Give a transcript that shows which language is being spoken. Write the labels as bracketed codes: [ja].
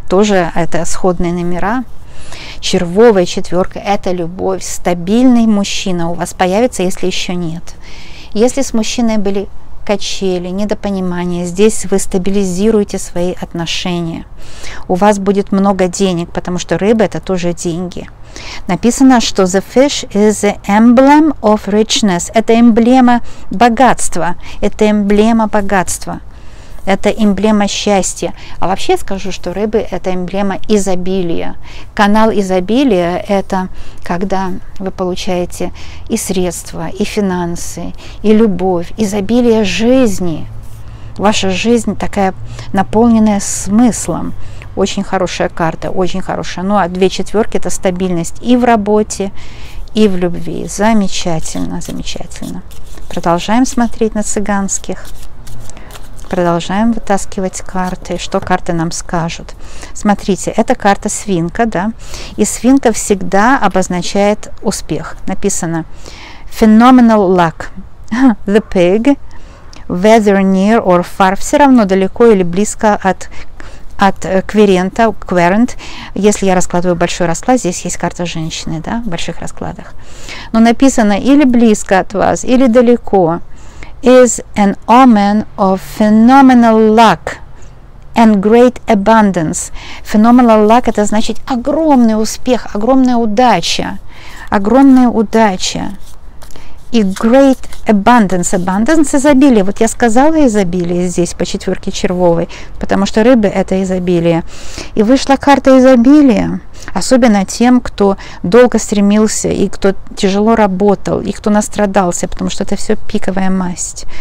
[ru] Тоже это сходные номера. Червовая четверка. Это любовь. Стабильный мужчина у вас появится, если еще нет. Если с мужчиной были качели, недопонимание, здесь вы стабилизируете свои отношения. У вас будет много денег, потому что рыба – это тоже деньги. Написано, что [en] the fish is the emblem of richness. [ru] Это эмблема богатства. Это эмблема богатства. Это эмблема счастья. А вообще скажу, что рыбы – это эмблема изобилия. Канал изобилия – это когда вы получаете и средства, и финансы, и любовь, изобилие жизни. Ваша жизнь такая наполненная смыслом. Очень хорошая карта, очень хорошая. Ну а две четверки – это стабильность и в работе, и в любви. Замечательно, замечательно. Продолжаем смотреть на цыганских. Продолжаем вытаскивать карты. Что карты нам скажут? Смотрите, это карта свинка, да? И свинка всегда обозначает успех. Написано [en] phenomenal luck. The pig, whether near or far, [ru] все равно далеко или близко от кверента, кверент. Если я раскладываю большой расклад, здесь есть карта женщины, да, в больших раскладах. Но написано или близко от вас, или далеко. [en] Is an omen of phenomenal luck and great abundance. Phenomenal luck [ru] – это значит огромный успех, огромная удача. Огромная удача. И [en] great abundance. [ru] Abundance – изобилие. Вот я сказала изобилие здесь по четверке червовой, потому что рыбы – это изобилие. И вышла карта изобилия. Особенно тем, кто долго стремился, и кто тяжело работал, и кто настрадался, потому что это все пиковая масть.